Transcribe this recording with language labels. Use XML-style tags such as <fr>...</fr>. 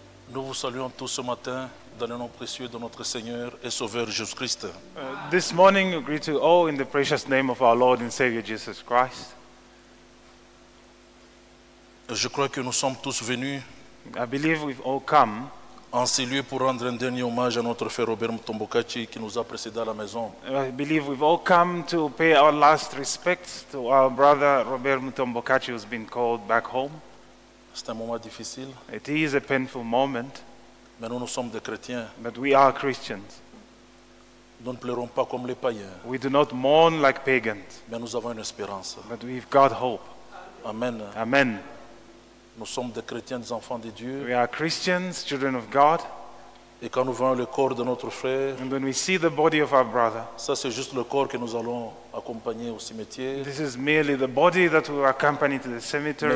<fr>Nous vous saluons tous ce matin dans le nom précieux de notre Seigneur et Sauveur Jésus Christ.</fr> <en>This morning we greet you all in the precious name of our Lord and Savior Jesus Christ.</en> <fr>Je crois que nous sommes tous venus.</fr> <en>I believe we've all come.</en> <fr>En ces lieux pour rendre un dernier hommage à notre frère Robert Mutombo Katshi qui nous a précédé à la maison.</fr> <en>I believe we've all come to pay our last respects to our brother Robert Mutombo Katshi who's been called back home.</en> <fr>C'est un moment difficile.</fr> <en>It is a painful moment.</en> <fr>Mais nous sommes des chrétiens.</fr> <en>But we are Christians.</en> <fr>Nous ne pleurons pas comme les païens.</fr> <en>We do not mourn like pagans.</en> <fr>Mais nous avons une espérance.</fr> <en>But we've got hope. Amen. Amen.</en> <fr>Nous sommes des chrétiens, des enfants de Dieu.</fr> <en>We are Christians, children of God.</en> <fr>Et quand nous voyons le corps de notre frère,</fr> <en>and when we see the body of our brother,</en> <fr>ça c'est juste le corps que nous allons accompagner au cimetière.</fr> <en>This is merely the body that we accompany to the cemetery.</en>